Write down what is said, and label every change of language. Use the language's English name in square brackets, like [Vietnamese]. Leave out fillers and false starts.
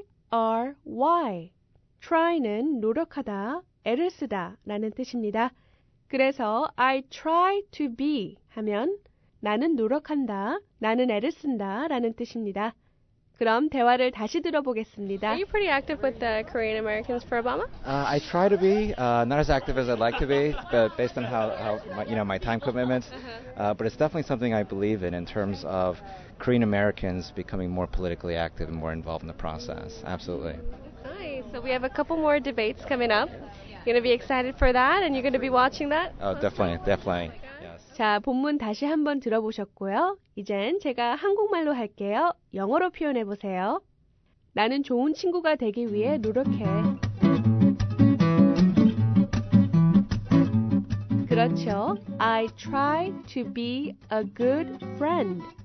[English] T-R-Y. [Korean] Try는 노력하다, 애를 쓰다 라는 뜻입니다. 그래서 [English] I try to be [Korean] 하면 나는 노력한다, 나는 애를 쓴다 라는 뜻입니다. 그럼 대화를 다시 들어보겠습니다. [English] Are you pretty active with the Korean Americans for Obama? I try to be, not as active as I'd like to be, but based on my time commitments. But it's definitely something I believe in terms of Korean Americans becoming more politically active and more involved in the process. Absolutely. So we have a couple more debates coming up. You're going to be excited for that and you're going to be watching that? Oh, definitely. Yes. [Korean] 자, 본문 다시 한번 들어보셨고요. 이젠 제가 한국말로 할게요. 영어로 표현해 보세요. 나는 좋은 친구가 되기 위해 노력해. 그렇죠. [English] I try to be a good friend.